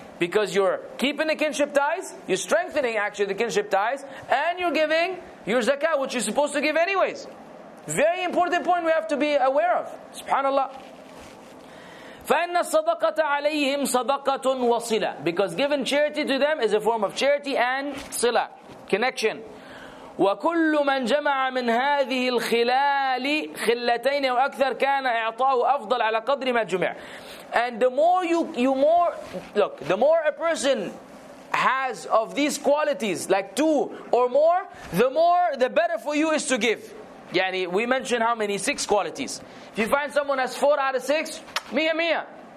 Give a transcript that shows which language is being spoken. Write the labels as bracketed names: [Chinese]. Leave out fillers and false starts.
[English] Because you're keeping the kinship ties, you're strengthening actually the kinship ties, and you're giving your zakah, which you're supposed to give anyways. Very important point we have to be aware of. [Arabic] Subhanallah. فَإِنَّ الصَّدَقَةَ عَلَيْهِمْ صَدَقَةٌ وَصِلَةٌ. [English] Because giving charity to them is a form of charity and sila, connection. [Arabic] وكل من جمع من هذه الخلال خلتين او اكثر كان اعطاه افضل على قدر ما جمع. [English] And the more you the more a person has of these qualities, like two or more, the more, the better for you is to give. يعني we mentioned how many, six qualities. If you find someone has 4 out of 6, [Arabic] mia mia.